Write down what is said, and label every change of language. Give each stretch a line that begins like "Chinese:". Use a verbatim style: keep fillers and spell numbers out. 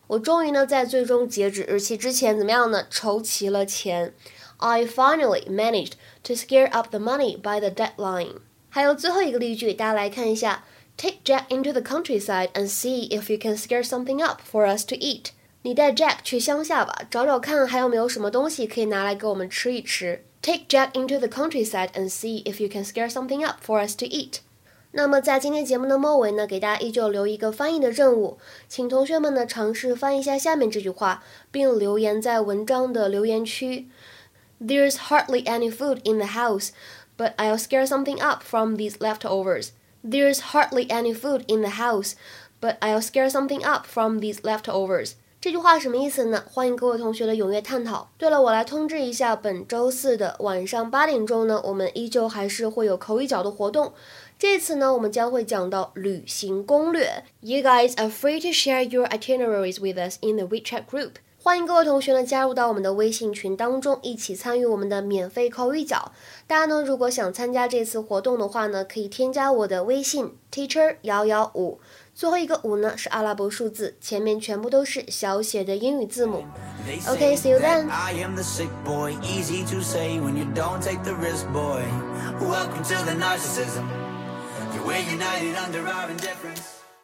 Chinese: 我终于呢在最终截止日期之前怎么样呢筹齐了钱。
English: I finally managed to scare up the money by the deadline.
Chinese: 还有最后一个例句，大家来看一下
English: Take Jack into the countryside and see if you can scare something up for us to eat.
Chinese: 你带 Jack 去乡下吧，找找看还有没有什么东西可以拿来给我们吃一吃。
English: Take Jack into the countryside and see if you can scare something up for us to eat.
Chinese: 那么在今天节目的末尾呢，给大家依旧留一个翻译的任务，请同学们呢尝试翻译一下下面这句话，并留言在文章的留言区。
English: There's hardly any food in the house, but I'll scare something up from these leftovers. There's hardly any food in the house, but I'll scare something up from these leftovers.
Chinese: 这句话什么意思呢？欢迎各位同学的踊跃探讨。对了，我来通知一下，本周四的晚上八点钟呢，我们依旧还是会有口语角的活动。这次呢，我们将会讲到旅行攻略。
English: You guys are free to share your itineraries with us in the WeChat group.
Chinese: 欢迎各位同学呢加入到我们的微信群当中，一起参与我们的免费口语角。大家呢如果想参加这次活动的话呢，可以添加我的微信 teacher 一一五，最后一个五呢是阿拉伯数字，前面全部都是小写的英语字母。
English: Okay, see you then. I am the sick boy, easy to say when you don't take the risk, boy. Welcome to the narcissism. We're united under our indifference.